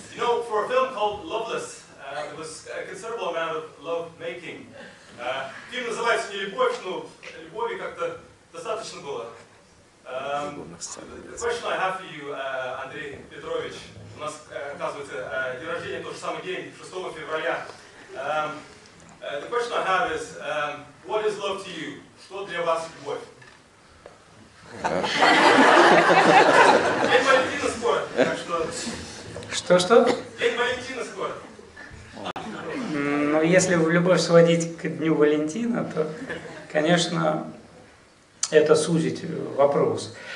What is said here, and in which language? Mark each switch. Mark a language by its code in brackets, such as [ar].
[en] You know, for a film called Loveless, there was a considerable amount of love-making. [ru] Фильм называется не любовь, но любови как-то достаточно было. [en] The question I have for you, Andrei [ru] Петрович, у нас, оказывается, день рождения тот же самый день, 6 февраля. [en] The question I have is, what is love to you? [ru] Что для вас любовь? Я не могу идти на спор, так что... Что-что? День Валентина скоро. Ну, если любовь сводить к Дню Валентина, то, конечно, это сузить вопрос.